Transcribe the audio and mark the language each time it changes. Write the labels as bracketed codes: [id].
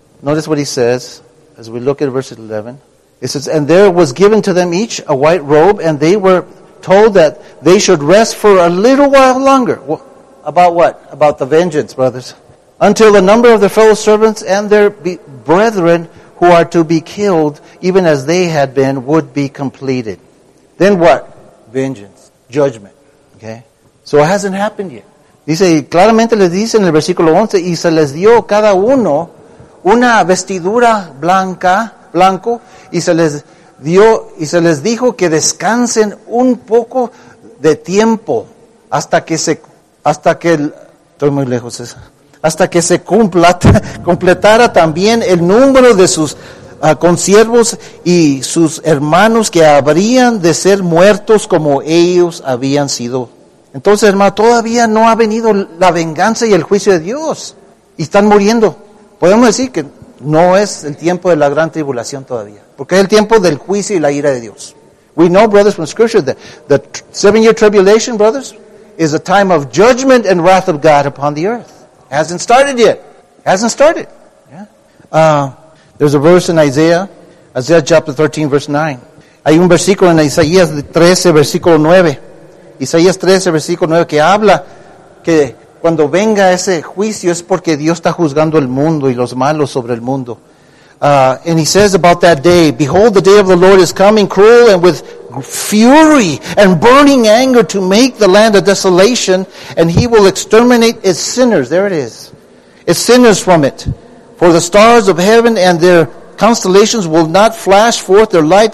[en] Notice what he says as we look at verse 11. He says, and there was given to them each a white robe, and they were told that they should rest for a little while longer. Well, about what? About the vengeance, brothers. Until the number of their fellow servants and their brethren who are to be killed, even as they had been, would be completed. Then what? Vengeance. Judgment. Okay? So it hasn't happened yet. [es] Dice, claramente les dice en el versículo 11, y se les dio cada uno una vestidura blanco, y se les dijo que descansen un poco de tiempo hasta que se completara también el número de sus consiervos y sus hermanos que habrían de ser muertos como ellos habían sido. Entonces, hermano, todavía no ha venido la venganza y el juicio de Dios. Y están muriendo. Podemos decir que no es el tiempo de la gran tribulación todavía. Porque es el tiempo del juicio y la ira de Dios. [en] We know, brothers, from Scripture, that the 7 year tribulation, brothers, is a time of judgment and wrath of God upon the earth. Hasn't started yet. Hasn't started. Yeah. There's a verse in Isaiah chapter 13, verse 9. [es] Hay un versículo en Isaías 13, versículo 9. Isaías 13, versículo 9, que habla que cuando venga ese juicio es porque Dios está juzgando el mundo y los malos sobre el mundo. [en] And he says about that day, behold, the day of the Lord is coming, cruel and with fury and burning anger, to make the land a desolation, and he will exterminate its sinners. There it is. Its sinners from it. For the stars of heaven and their constellations will not flash forth their light.